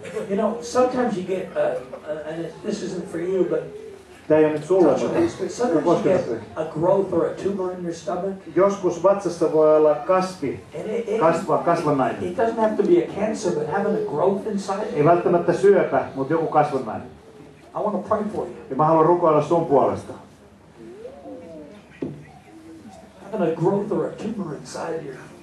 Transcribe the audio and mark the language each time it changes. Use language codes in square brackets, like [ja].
[en] You know, sometimes you get, and this isn't for you, but [fi] tämä ei ole nyt sulle, [en] sometimes you get a growth or a tumor in your stomach. [fi] Joskus vatsassa voi olla kasvi, kasvannainen. [en] It doesn't have to be a cancer, but having a growth inside [fi] it. Ei välttämättä syöpä, mutta joku kasvannainen. [en] I want to pray for you. [fi] Ja mä haluan rukoilla sun puolesta. [en] Having a growth or a tumor inside you.